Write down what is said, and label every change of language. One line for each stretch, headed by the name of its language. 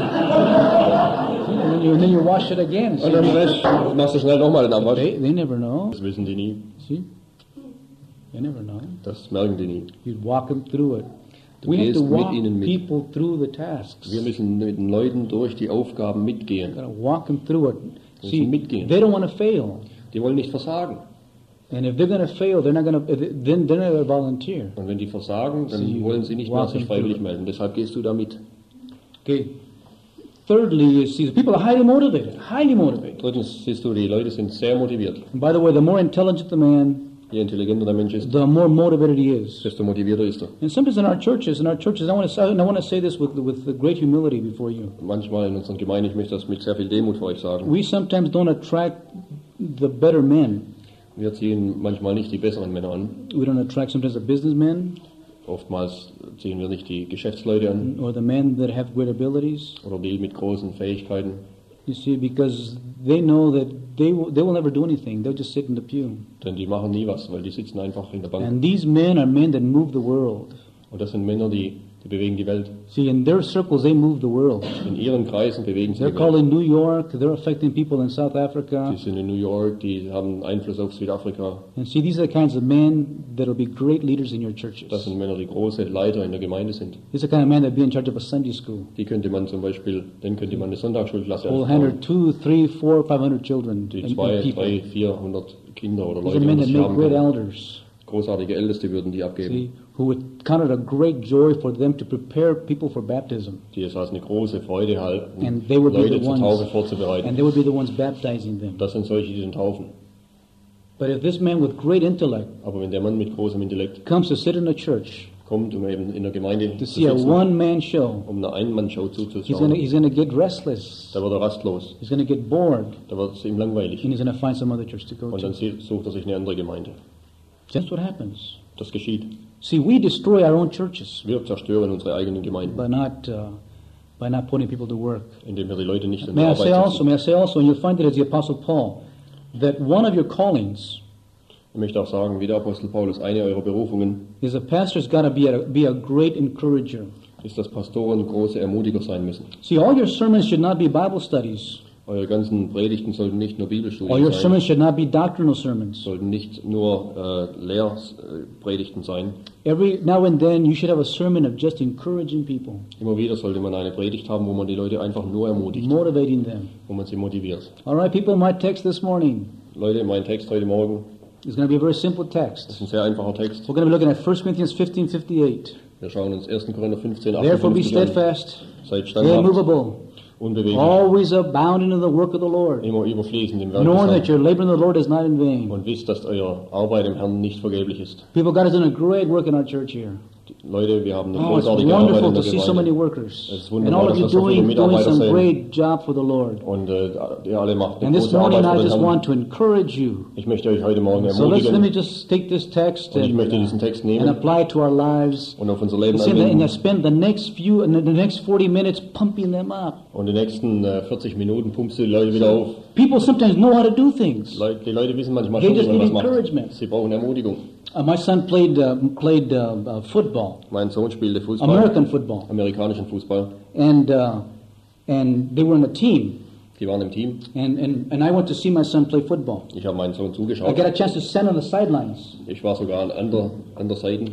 English: And then you wash it again.
German: Und dann machst du schnell nochmal den Abwasch.
English: They never know.
German: Das wissen die nie.
English: See? They never know.
German: Das merken die nie.
English: You walk them through it. We have to walk people through the tasks.
German: Wir müssen mit den Leuten durch die Aufgaben mitgehen. You gotta walk them through it.
English: See,
German: mitgehen.
English: They don't want to fail.
German: Die wollen nicht versagen.
English: And if they're going to fail, they're not going to volunteer.
German: Und wenn die versagen, dann so wollen sie nicht mehr sich freiwillig melden. Deshalb gehst du damit.
English: Okay. Thirdly, you see, the people are highly motivated. Highly motivated.
German: Drittens siehst du, die Leute sind sehr motiviert.
English: And by the way, the more intelligent the man,
German: je intelligenter der Mensch ist,
English: the more motivated he is.
German: Desto motivierter ist er.
English: And sometimes in our churches, I want to say this with great humility before you.
German: Manchmal in unseren Gemeinden, ich möchte das mit sehr viel Demut vor euch sagen.
English: We sometimes don't attract the better men.
German: Wir ziehen manchmal nicht die besseren Männer an.
English: We don't attract sometimes the businessmen.
German: Oftmals ziehen wir nicht die Geschäftsleute an.
English: Or the men that have great abilities.
German: Oder die mit großen Fähigkeiten.
English: You see, because they know that they will never do anything. They'll just sit in the pew.
German: Denn die machen nie was, weil die sitzen einfach in der Bank.
English: And these men are men that move the world.
German: Und das sind Männer, die bewegen die Welt.
English: See, in their circles, they move the world.
German: In ihren Kreisen bewegen sie die Welt.
English: They're calling New York. They're affecting people in South Africa.
German: Die sind in New York. Die haben Einfluss auf Südafrika.
English: And see, these are the kinds of men that will be great leaders in your churches.
German: Das sind Männer, die große Leiter in der Gemeinde sind.
English: These are the kind of men that be in charge of a Sunday school.
German: Die könnte man zum Beispiel, den könnte man eine Sonntagsschulklasse aufbauen.
English: Will handle 200, 300, 400, 500 children.
German: Die 200, 300, 400 Kinder oder Leute.
English: These are men that make great elders.
German: Großartige Älteste würden die abgeben.
English: See, who would count it a great joy for them to prepare people for baptism.
German: Die es als eine große Freude halten,
English: and they would
German: Leute
English: be the ones,
German: zur Taufe vorzubereiten.
English: And they would be the ones baptizing them.
German: Das sind solche, die den taufen.
English: But if this man with great intellect,
German: aber wenn der Mann mit großem Intellekt
English: comes to sit in a church,
German: kommt, um eben in der Gemeinde
English: to see
German: zu sitzen,
English: a one-man show,
German: um eine Ein-Mann-Show zuzuschauen,
English: he's gonna get restless.
German: Da wird er rastlos.
English: He's gonna get bored.
German: Da wird es ihm langweilig.
English: And he's gonna find some other church to go
German: und dann sucht er sich eine andere Gemeinde.
English: That's what happens.
German: Das geschieht.
English: See, we destroy our own churches.
German: Wir zerstören unsere eigenen Gemeinden.
English: By not putting people to work.
German: Indem wir die Leute nicht in die Arbeit setzen.
English: May I say also, and you'll find it as the Apostle Paul, that one of your callings.
German: Ich möchte auch sagen, wie der Apostel Paulus, eine eurer Berufungen.
English: Is a pastor's got to be a great encourager.
German: Ist, dass Pastoren große Ermutiger sein müssen.
English: See, all your sermons should not be Bible studies.
German: Eure ganzen Predigten sollten nicht nur Bibelstudien sein.
English: All your sermons should not be doctrinal sermons.
German: Sollten nicht nur Lehrpredigten sein.
English: Every now and then you should have a sermon of just encouraging people.
German: Immer wieder sollte man eine Predigt haben, wo man die Leute einfach nur ermutigt.
English: Motivating them.
German: Wo man sie motiviert.
English: All right, people, my text this morning.
German: Leute, mein Text heute Morgen.
English: It's going to be a very simple text.
German: Das ist ein sehr einfacher Text.
English: We're going to be looking at 1 Corinthians 15:58.
German: Wir schauen uns 1. Korinther 15,
English: therefore be steadfast.
German: Seid standhaft.
English: Immovable. Always abounding in the work of the Lord.
German: Immer überfließend im Werk.
English: Knowing that your labor in the Lord is not in vain.
German: Und wisst, dass eure Arbeit im Herrn nicht vergeblich ist.
English: People, God has done a great work in our church here.
German: Leute, wir haben eine großartige Arbeit in der Gemeinde.
English: To see so many workers.
German: Es ist wunderbar, dass so viele Mitarbeiter sind.
English: Great job for the Lord.
German: Und ihr alle macht eine große Arbeit
English: morning,
German: für den
English: I just
German: Herrn.
English: Want to encourage you.
German: Ich möchte euch heute Morgen ermutigen.
English: So let me just take this text
German: und ich möchte diesen Text nehmen
English: and apply to our lives.
German: Und auf unser Leben anwenden.
English: And spend the next few, the next 40 minutes pumping them up.
German: Und die nächsten 40 Minuten pumpst du die Leute wieder auf.
English: People sometimes know how to do things.
German: Die Leute wissen manchmal
English: they
German: schon,
English: just need
German: was
English: encouragement.
German: Sie brauchen Ermutigung.
English: My son played football.
German: Mein Sohn spielte Fußball.
English: American football.
German: Amerikanischen Fußball.
English: And they were in a team.
German: Die waren im Team.
English: And I went to see my son play football.
German: Ich habe meinen Sohn zugeschaut.
English: I got a chance to stand on the sidelines.
German: Ich war sogar an der Seiten.